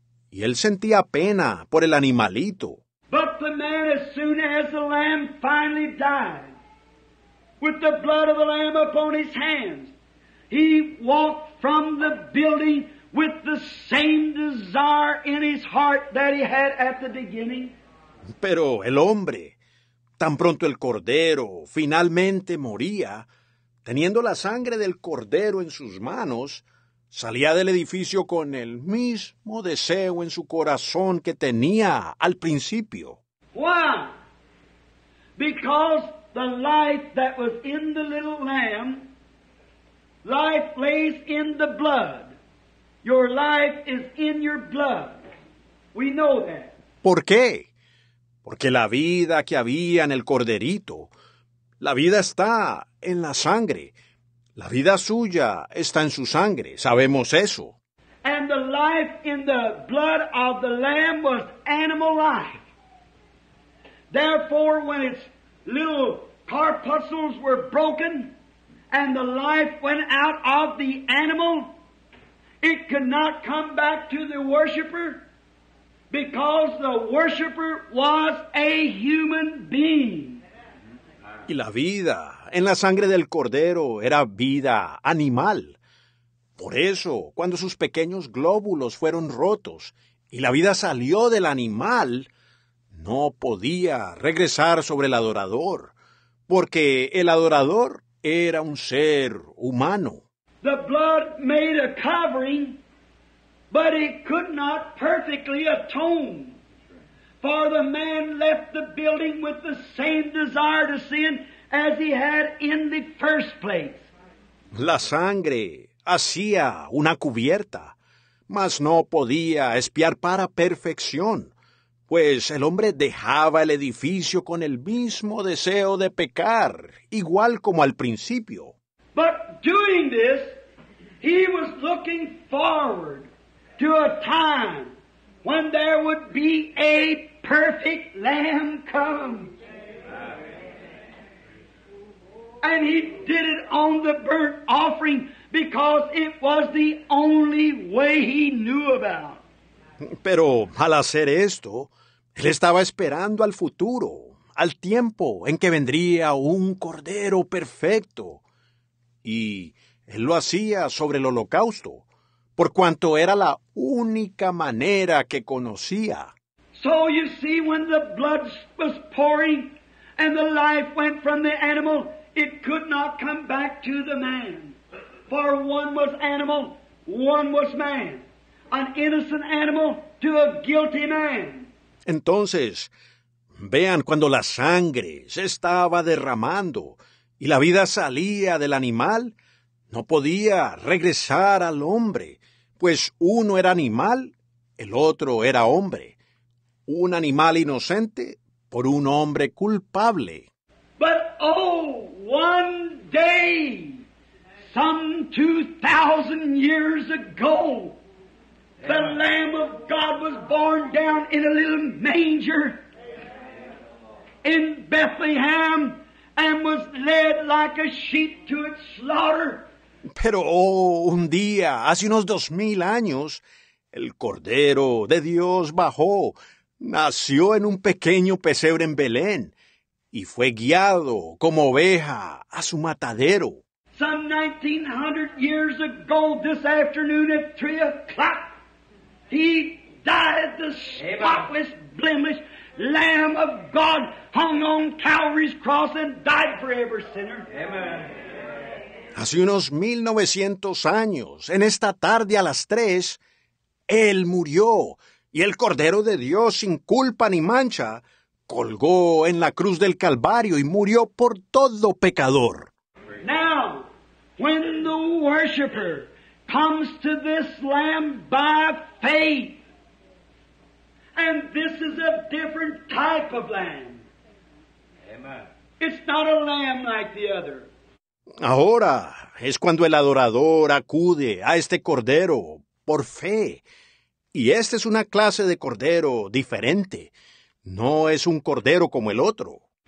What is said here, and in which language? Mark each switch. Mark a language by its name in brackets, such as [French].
[Spanish] Y él sentía pena por el animalito. [English] But the man, as soon as the lamb finally died, with the blood of the Lamb upon his hands. He walked from the building with the same desire in his heart that he had at the beginning. [Spanish] Pero el hombre, tan pronto el cordero finalmente moría, teniendo la sangre del cordero en sus manos, salía del edificio con el mismo deseo en su corazón que tenía al principio. [English] Why? Because the life that was in the little lamb, life lays in the blood. Your life is in your blood. We know that. [Spanish] ¿Por qué? Porque la vida que había en el corderito, la vida está en la sangre. La vida suya está en su sangre. Sabemos eso. [English] And the life in the blood of the lamb was animal life. Therefore, when its little corpuscles were broken and the life went out of the animal, it could not come back to the worshiper because the worshiper was a human being. [Spanish] Y la vida en la sangre del cordero era vida animal. Por eso, cuando sus pequeños glóbulos fueron rotos y la vida salió del animal, no podía regresar sobre el adorador, porque el adorador era un ser humano. [English] The blood made a covering, but it could not perfectly atone. For the man left the building with the same desire to sin as he had in the first place. [Spanish] La sangre hacía una cubierta, mas no podía espiar para perfección, pues el hombre dejaba el edificio con el mismo deseo de pecar, igual como al principio. [English] But doing this, he was looking forward to a time when there would be a perfect lamb come. And he did it on the burnt offering because it was the only way he knew about. [Spanish] Pero al hacer esto, él estaba esperando al futuro, al tiempo en que vendría un cordero perfecto. Y él lo hacía sobre el holocausto, por cuanto era la única manera que conocía. [English] So you see, when the blood was pouring and the life went from the animal, it could not come back to the man. For one was animal, one was man. An innocent animal to a guilty man. [Spanish] Entonces, vean, cuando la sangre se estaba derramando y la vida salía del animal, no podía regresar al hombre, pues uno era animal, el otro era hombre. Un animal inocente por un hombre culpable. [English] But oh, one day, some 2,000 years ago, the Lamb of God was born down in a little manger in Bethlehem and was led like a sheep to its slaughter. [Spanish] Pero, oh, un día, hace unos 2,000 años, el Cordero de Dios bajó, nació en un pequeño pesebre en Belén y fue guiado como oveja a su matadero. [English] Some 1,900 years ago this afternoon at 3 o'clock, he died the spotless, blemished Lamb of God, hung on Calvary's cross and died for every sinner. Amen. [Spanish] Hace unos 1,900 años, en esta tarde a las 3, él murió y el Cordero de Dios sin culpa ni mancha colgó en la cruz del Calvario y murió por todo pecador. [English] Now, when the worshiper comes to this Lamb by faith, and this is a different type of lamb. Amen. It's not a lamb like the other. [Spanish] Ahora es cuando el adorador acude a este cordero por fe. Y esta es una clase de cordero diferente. No es un cordero como el otro.